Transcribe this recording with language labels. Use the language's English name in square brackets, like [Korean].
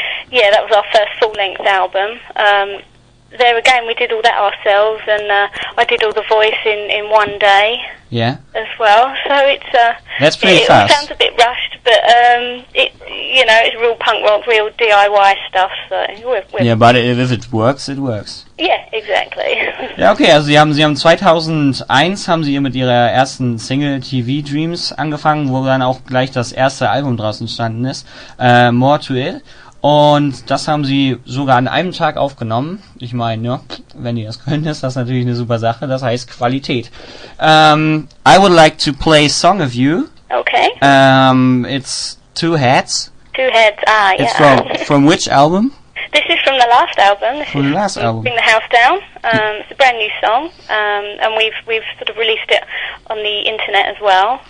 [English] Yeah, that was our first full-length album. There again, we did all that ourselves, and I did all the voice in one day. Yeah. As well, so it's that's pretty fast. It sounds a bit rushed, but it, you know, it's real punk rock, real DIY stuff. So if it works, it works. Yeah, exactly. [German] Ja, okay. Also Sie haben 2001 haben Sie mit Ihrer ersten Single TV Dreams angefangen, wo dann auch gleich das erste Album draus entstanden ist, More to It. Und das haben sie sogar an einem Tag aufgenommen. Ich meine, ja, wenn ihr das könnt, ist das natürlich eine super Sache. Das heißt Qualität. [English] I would like to play a song of you. Okay. It's Two Heads. Two Heads, yeah. It's from which album? This is from the last album. From the last album. Bring the House Down. It's a brand new song. And we've sort of released it on the internet as well.